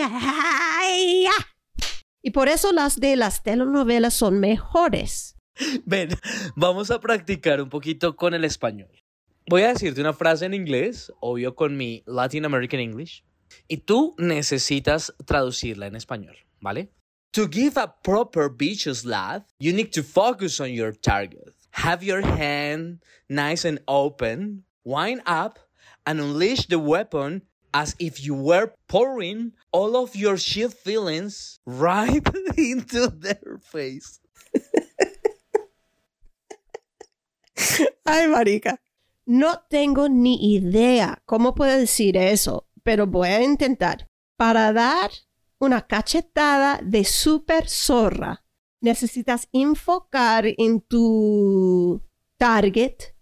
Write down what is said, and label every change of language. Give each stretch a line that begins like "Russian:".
Spanish: ¡Ay! Y por eso las de las telenovelas son mejores. Ven, vamos a practicar un poquito con el español. Voy a decirte una frase en inglés, obvio con mi Latin American English, y tú necesitas traducirla en español, ¿vale?
English: To give a proper bitch slap, you need to focus on your target. Have your hand nice and open, wind up, and unleash the weapon as if you were pouring all of your shit feelings right into their face.
Spanish: Ay, marica. No tengo ni idea cómo puedo decir eso, pero voy a intentar. Para dar una cachetada de super zorra, necesitas enfocar en tu target.